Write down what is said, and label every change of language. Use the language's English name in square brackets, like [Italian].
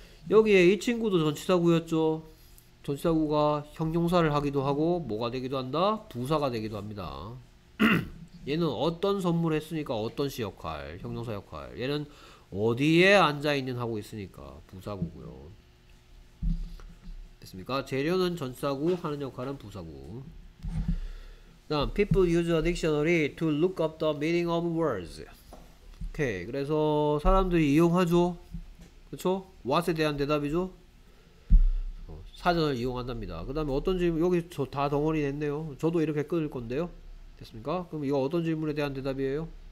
[Korean] 여기에 이 친구도 전치사 구였죠. 전치사 구가 형용사를 하기도 하고 뭐가 되기도 한다? 부사가 되기도 합니다. 얘는 어떤 선물을 했으니까 어떤 시 역할, 형용사 역할. 얘는 어디에 앉아 있는 하고 있으니까 부사구고요. 됐습니까? 재료는 전치사구, 하는 역할은 부사구. 다음, [English] people use a dictionary to look up the meaning of words. [Korean] 오케이. 그래서 사람들이 이용하죠. 그렇죠? what에 대한 대답이죠. 사전을 이용한답니다. 그다음에 어떤 질문, 여기 저다 덩어리 됐네요. 저도 이렇게 끊을 건데요. 됐습니까? 그럼 이거 어떤 질문에 대한 대답이에요?